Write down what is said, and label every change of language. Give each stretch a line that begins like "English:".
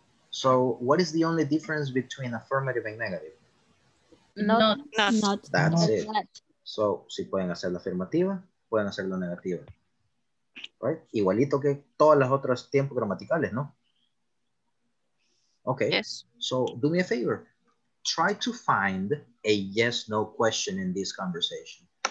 English: So what is the only difference between affirmative and negative? Not. That's not it. Not.
Spanish: So, si pueden hacer la afirmativa, pueden hacer la negativa. Right? Igualito que todas las otras tiempos gramaticales, ¿no?
English: Okay. Yes. So, do me a favor. Try to find a yes-no question in this conversation.